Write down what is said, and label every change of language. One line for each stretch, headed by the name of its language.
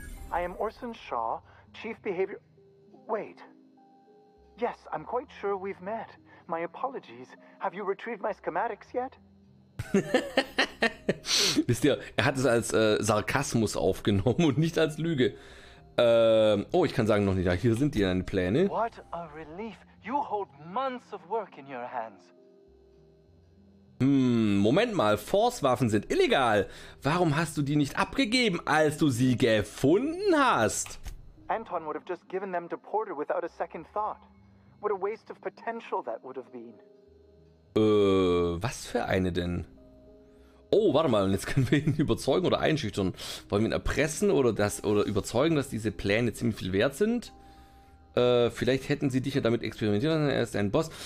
English: I am Orson Scholl, Chief Behavior. Wait. Yes, I'm quite sure we've met. My apologies. Have you retrieved my schematics yet?
German: Wisst ihr, er hat es als Sarkasmus aufgenommen und nicht als Lüge. Oh, ich kann sagen, noch nicht. Ja, hier sind die deine Pläne.
English: What a relief. You hold months of work in your hands.
German: Moment mal. Force-Waffen sind illegal. Warum hast du die nicht abgegeben, als du sie gefunden hast?
English: Anton would have just given them to Porter without a second thought. What a waste of potential that would have been.
German: Was für eine denn? Oh, warte mal, jetzt können wir ihn überzeugen oder einschüchtern. Wollen wir ihn erpressen oder das oder überzeugen, dass diese Pläne ziemlich viel wert sind? Vielleicht hätten sie dich ja damit experimentieren lassen. Er ist ein Boss.